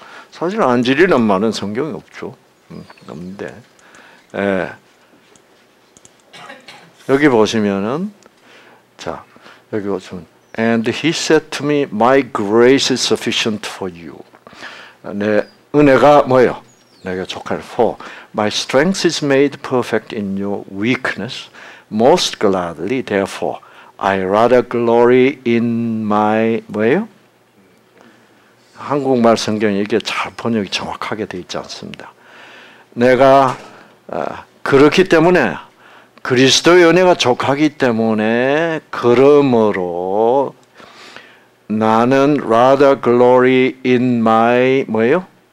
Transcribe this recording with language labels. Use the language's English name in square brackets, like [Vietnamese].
[Korean] 사실 안질이란 말은 성경에 없죠. 없는데 예. 여기 보시면은 자 여기 보시면 [English] And he said to me, My grace is sufficient for you. 내 은혜가 뭐예요? [Korean] 내가 족할 [English] For my strength is made perfect in your weakness. Most gladly, therefore, I rather glory in my [Korean] 뭐예요? 한국말 성경이 이게 잘 번역이 정확하게 되어 있지 않습니다. 내가 그렇기 때문에 그리스도의 은혜가 족하기 때문에 그러므로 나는 [English] rather glory in my [Korean] 뭐예요?